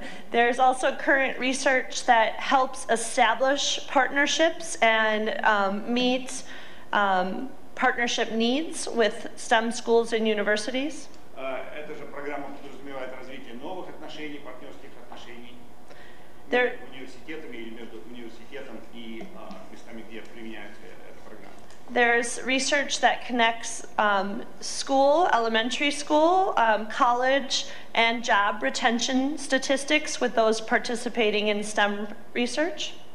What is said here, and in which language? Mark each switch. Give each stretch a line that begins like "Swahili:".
English: There's also current research that helps establish partnerships and meet partnership needs with STEM schools and universities.
Russian: Эта же программа подразумевает развитие новых отношений, партнерских отношений между университетами или между университетом и местами, где применяется эта программа.
English: There's research that connects school, elementary school, college, and job retention statistics with those participating in STEM research.